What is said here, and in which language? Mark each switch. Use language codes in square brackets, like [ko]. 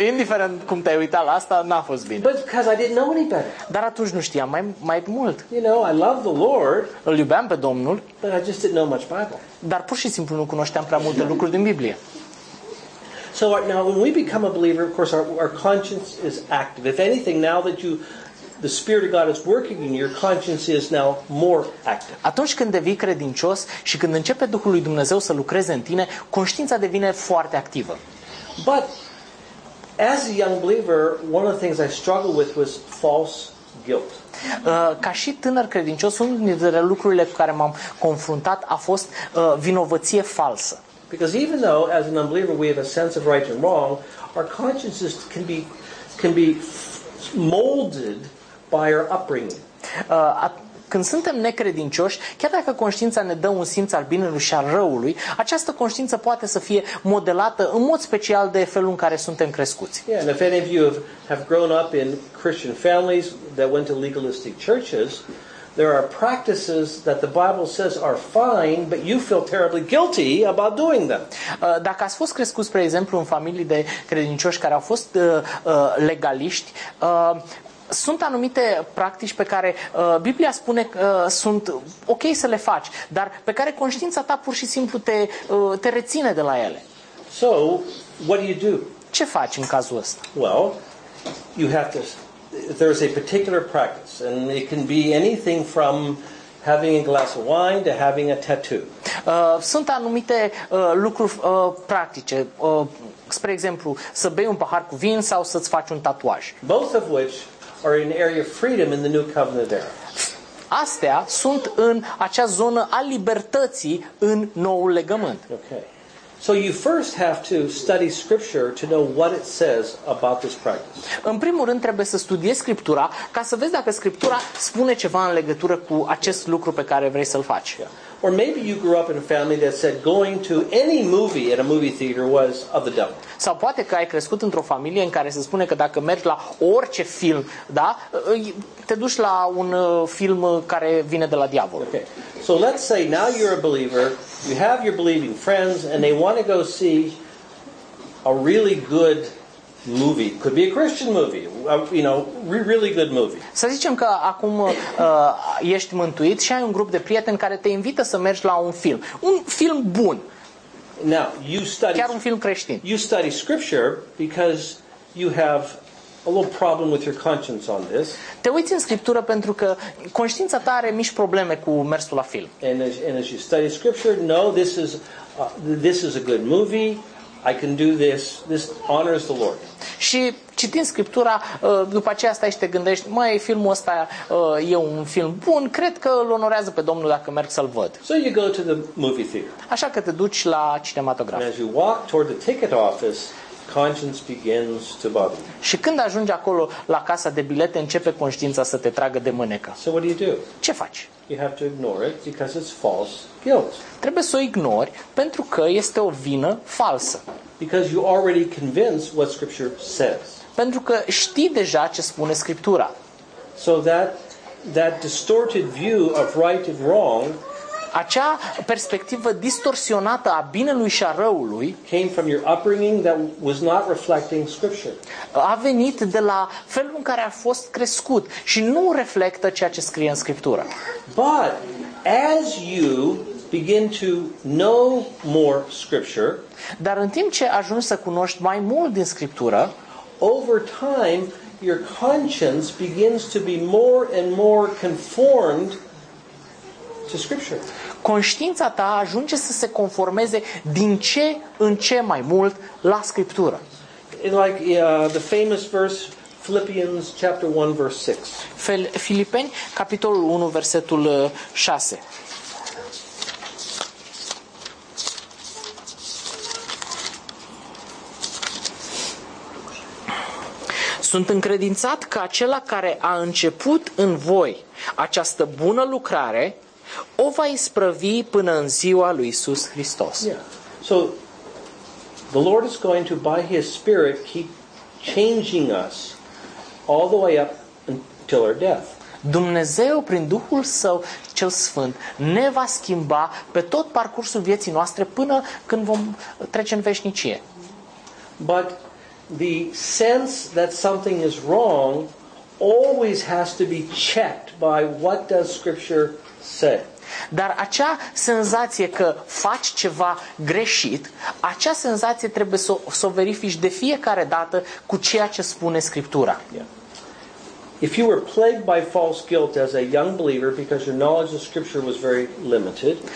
[ro] Indiferent cum te-ai uitat la asta, n-a fost bine. [en] But because I didn't know any better. [ro] Dar atunci nu știam mai mult. [en] You know, I love the Lord. [ro] Îl iubeam pe Domnul. [en] But I just didn't know much Bible. [ro] Dar pur și simplu nu cunoșteam prea multe lucruri din Biblie. [en] So now when we become a believer, of course our conscience is active. If anything, now that the Spirit of God is working in you, your conscience is now more active. [ro] Atunci când devii credincios și când începe Duhul lui Dumnezeu să lucreze în tine, conștiința devine foarte activă. [en] But as a young believer, one of the things I struggled with was false guilt. [ro] Ca și tânăr credincios, unul dintre lucrurile cu care m-am confruntat a fost vinovăție falsă. [en] Because even though as an unbeliever we have a sense of right and wrong, our consciences can be molded by our upbringing. [ro] Când suntem necredincioși, chiar dacă conștiința ne dă un simț al binelui și al răului, această conștiință poate să fie modelată în mod special de felul în care suntem crescuți. [en] Yeah, and if any of you have grown up in Christian families that went to legalistic churches, there are practices that the Bible says are fine, but you feel terribly guilty about doing them. [ro] Dacă ați fost crescuți, spre exemplu, în familii de credincioși care au fost legaliști, sunt anumite practici pe care Biblia spune că sunt ok să le faci, dar pe care conștiința ta pur și simplu te reține de la ele. [en] So, what do you do? [ro] Ce faci în cazul ăsta? [en] Well, you have to. There is a particular practice, and it can be anything from having a glass of wine to having a tattoo. [ro] Sunt anumite lucruri practice, spre exemplu, să bei un pahar cu vin sau să-ți faci un tatuaj. [en] Both of which are in area of freedom in the New Covenant era. [ro] Astea sunt în acea zonă a libertății în Noul Legământ. [en] Okay. So you first have to study scripture to know what it says about this practice. [ro] În primul rând trebuie să studiezi scriptura ca să vezi dacă scriptura spune ceva în legătură cu acest lucru pe care vrei să-l faci. [en] Yeah. Or maybe you grew up in a family that said going to any movie at a movie theater was of the devil. [ro] Sau poate că ai crescut într-o familie în care se spune că dacă mergi la orice film, da, te duci la un film care vine de la diavol. [en] Okay. So let's say now you're a believer. You have your believing friends and they want to go see a really good movie. Could be a Christian movie, you know, really good movie. [ro] Să zicem că acum ești mântuit și ai un grup de prieteni care te invită să mergi la un film. Un film bun. [en] Now, you study. [ro] Chiar un film creștin. [en] You study scripture because you have a little problem with your conscience on this. [ro] Te uiți în scriptură pentru că conștiința ta are mici probleme cu mersul la film. [en] And as you study scripture, no, this is a good movie. I can do this. This honors the Lord. [ro] Și citind Scriptura, după aceea stai și te gândești, măi, filmul ăsta e un film bun, cred că îl onorează pe Domnul dacă merg să-l văd. [en] So you go to the movie theater. [ro] Așa că te duci la cinematograf. [en] And as you walk toward the ticket office, conscience begins to bother. [ro] Și când ajungi acolo la casa de bilete, începe conștiința să te tragă de mânecă. [en] So what do you do? [ro] Ce faci? [en] You have to ignore it because it's false guilt. [ro] Trebuie să o ignori pentru că este o vină falsă. [en] Because you already convinced what scripture says. [ro] Pentru că știi deja ce spune Scriptura. [en] So that distorted view of right and wrong. [ro] Acea perspectivă distorsionată a binelui și a răului [en] came from your upbringing that was not reflecting scripture. [ro] A venit de la felul în care a fost crescut și nu reflectă ceea ce scrie în Scriptură. [en] But as you begin to know more scripture, [ro] dar în timp ce ajungi să cunoști mai mult din Scriptură, [en] over time your conscience begins to be more and more conformed to scripture. [ro] Conștiința ta ajunge să se conformeze din ce în ce mai mult la Scriptură. [en] Like the famous verse Philippians chapter 1 verse 6. [ro] Filipeni capitolul 1 versetul 6. Sunt încredințat că acela care a început în voi această bună lucrare o va isprăvi până în ziua lui Iisus Hristos. [en] Yeah. So the Lord is going to by his spirit keep changing us all the way up until our death. [ro] Dumnezeu prin Duhul Său cel Sfânt ne va schimba pe tot parcursul vieții noastre până când vom trece în veșnicie. [en] But the sense that something is wrong always has to be checked by what does scripture say. [ro] Dar acea senzație că faci ceva greșit, acea senzație trebuie să o verifici de fiecare dată cu ceea ce spune Scriptura. [en] If you were plagued by false guilt as a young believer because your knowledge of scripture was very limited.